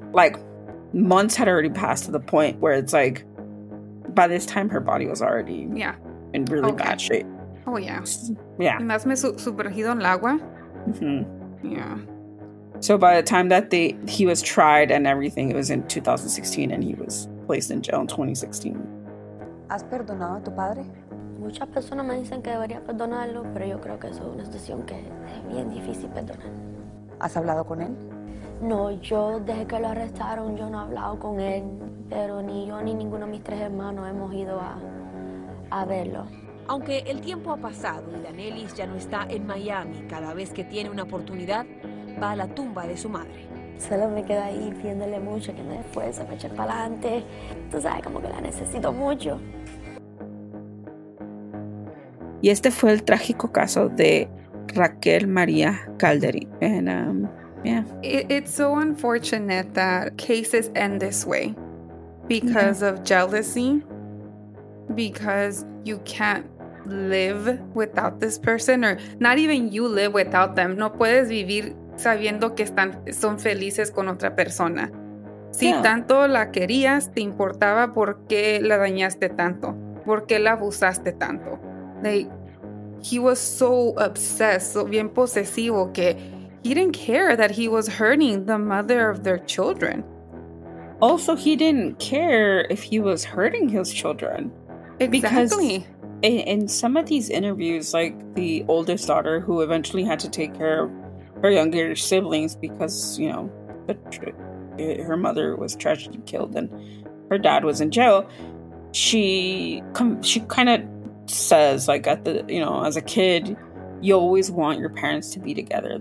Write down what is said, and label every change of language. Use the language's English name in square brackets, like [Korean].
[English] Like, months had already passed to the point where it's like, by this time, her body was already in really bad shape. Oh, yeah. Yeah. [Spanish] Más me sumergido en el agua. Mm-hmm. [English] Yeah. So by the time that he was tried and everything, it was in 2016, and he was placed in jail in 2016. [Spanish] ¿Has perdonado a tu padre? Muchas personas me dicen que debería perdonarlo, pero yo creo que eso es una situación que es bien difícil perdonar. ¿Has hablado con él? No, yo desde que lo arrestaron, yo no he hablado con él, pero ni yo ni ninguno de mis tres hermanos hemos ido a verlo. Aunque el tiempo ha pasado y Danelis ya no está en Miami, cada vez que tiene una oportunidad, va a la tumba de su madre. Solo me quedo ahí pidiéndole mucho que me dé fuerza, me eche para adelante. Tú sabes, como que la necesito mucho. Y este fue el trágico caso de Raquel María Calderín. [English] And, It's so unfortunate that cases end this way because of jealousy, because you can't live without this person, or not even you live without them. [Spanish] No puedes vivir sabiendo que son felices con otra persona. Si tanto la querías, te importaba por qué la dañaste tanto, por qué la abusaste tanto. [English] He was so obsessed, so [Spanish] bien posesivo, que [English] he didn't care that he was hurting the mother of their children. Also, he didn't care if he was hurting his children. Exactly. Because in some of these interviews, like the oldest daughter who eventually had to take care of her younger siblings because, you know, her mother was tragically killed and her dad was in jail, she kind of says, like, as a kid, you always want your parents to be together.